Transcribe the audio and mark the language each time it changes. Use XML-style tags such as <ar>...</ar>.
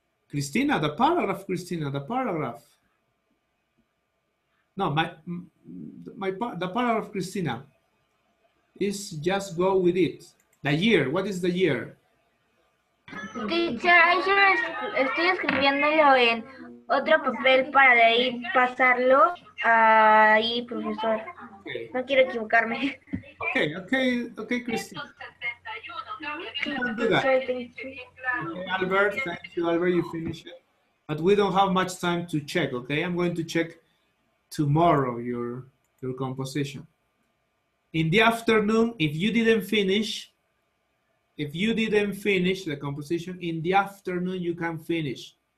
<en>Cristina, the paragraph, Cristina, the paragraph. No, the paragraph, Cristina, is just go with it. The year, what is the year?</en> <es>Teacher, yo estoy escribiéndolo en otro papel para de ahí pasarlo ahí, profesor. Okay. No quiero equivocarme.</es> <en>Okay, okay, okay, Cristina. Okay, Albert, thank you, Albert, you finish it. But we don't have much time to check, okay? I'm going to check tomorrow your composition. In the afternoon, if you didn't finish the composition, in the afternoon you can finish.</en>